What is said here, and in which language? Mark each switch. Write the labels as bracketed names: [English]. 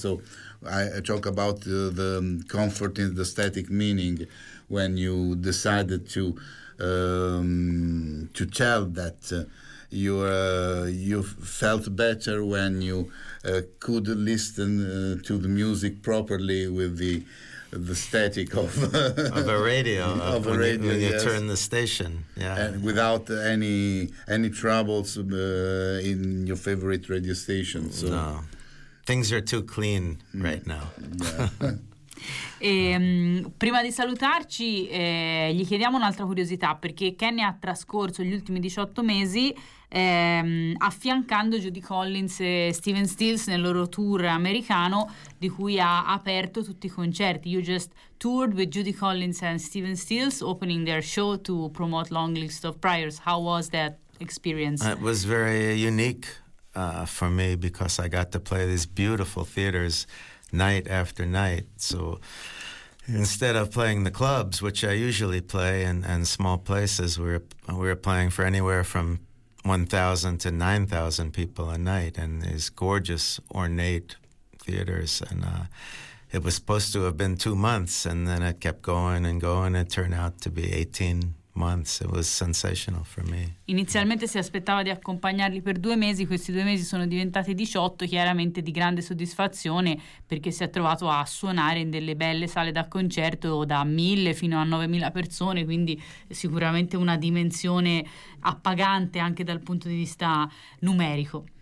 [English] So I talk about the comfort in the static meaning when you decided to tell that you felt better when you could listen to the music properly with the static of a radio, when you turn the station, and without any troubles in your favorite radio station. So. No, things are too clean right now. [Italian] Prima di salutarci, gli chiediamo un'altra curiosità, perché Kenny ha trascorso gli ultimi 18 mesi affiancando Judy Collins e Stephen Stills nel loro tour americano, di cui ha aperto tutti i concerti. [English] You just toured with Judy Collins and Stephen Stills, opening their show to promote Long List of Prayers. How was that experience? It was very unique for me, because I got to play these beautiful theaters night after night. So instead of playing the clubs, which I usually play in small places, we were playing for anywhere from 1,000 to 9,000 people a night in these gorgeous, ornate theaters. And it was supposed to have been 2 months, and then it kept going and going. It turned out to be 18 months. It was sensational for me. [Italian] Inizialmente si aspettava di accompagnarli per 2 mesi, questi 2 mesi sono diventati 18, chiaramente di grande soddisfazione, perché si è trovato a suonare in delle belle sale da concerto da 1,000 fino a 9,000 persone, quindi sicuramente una dimensione appagante anche dal punto di vista numerico.